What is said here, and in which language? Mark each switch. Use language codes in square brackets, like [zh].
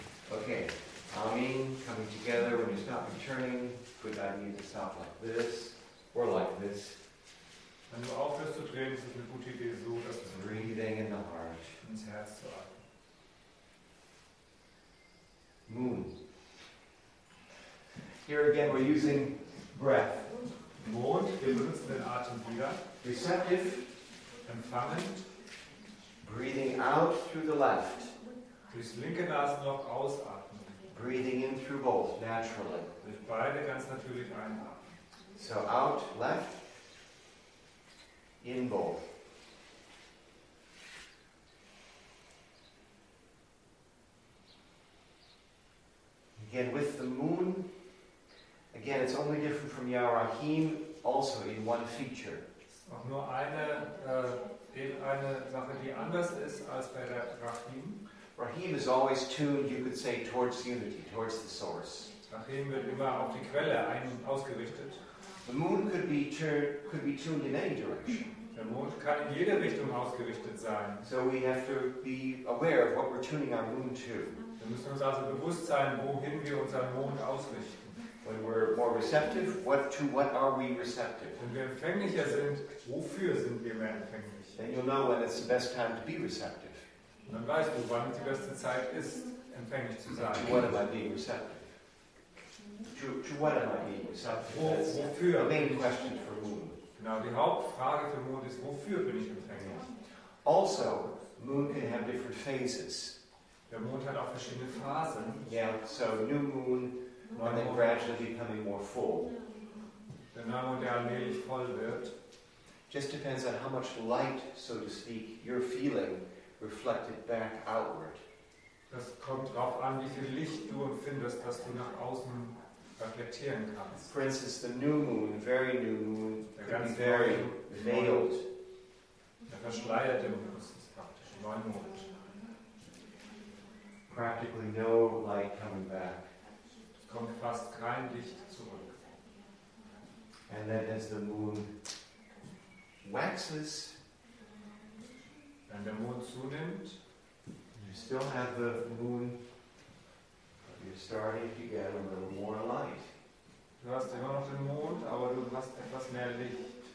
[en] Okay, Amin, coming together, when you stop returning, good idea to stop like this, or like this. [de] Wenn du aufhörst zu drehen, ist es eine gute Idee, so dass du [en] breathing in the heart. [de] Ins Herz zu atmen. [en] Moon. Here again, we're using breath. [de] Mond, wir benutzen den Atem wieder. [en] Receptive. [de] Empfangen. [en] Breathing out through the left. [de] Durchs linke Nasenloch ausatmen. [en] Breathing in through both, naturally. [de] Durch beide ganz natürlich einatmen. [en] So out, left. In both. Again with the moon. Again, it's only different from Yahrahim, also in one feature. [de] auch nur eine Sache, die anders ist als bei der Rahim. [en] Rahim is always tuned, you could say, towards unity, towards the source. [de] Rahim wird immer auf die Quelle ein- und ausgerichtet. [en] The moon could be tuned in any direction. [de] Der Mond kann in jede Richtung ausgerichtet sein. [en] So we have to be aware of what we're tuning our moon to. [de] Wir müssen uns also bewusst sein, wohin wir unseren Mond ausrichten. [en] When we're more receptive, what are we receptive? [de] Wenn wir empfänglicher sind, wofür sind wir mehr empfänglich? [en] Then you'll know when it's the best time to be receptive. [de] Und dann weißt du, wann die beste Zeit ist, empfänglich zu sein. [en] To what am I being receptive? To what am I being receptive? [de] Wofür? [en] The main question for moon. [de] Genau, die Hauptfrage für Mond ist, wofür bin ich empfänglich? [en] Also, moon can have different phases. [de] Der Mond hat auch verschiedene Phasen. [en] Yeah, so new moon, and then gradually becoming more full. [de] Der Neumond, der allmählich voll wird. [en] Just depends on how much light, so to speak, you're feeling reflected back outward. [de] Das kommt darauf an, wie viel Licht du empfindest, dass du nach außen reflektieren kannst. [en] For instance, the new moon, very new moon, [de] der [en] could [de] ganz [en] be very veiled. [de] Der verschleierte Mond, das ist praktisch Neumond. [en] Practically no light coming back. [de] Es kommt fast kein Licht zurück. [en] And then as the moon waxes, [de] wenn der Mond zunimmt, [en] you still have the moon, but you're starting to get a little more light. [de] Du hast immer noch den Mond, aber du hast etwas mehr Licht.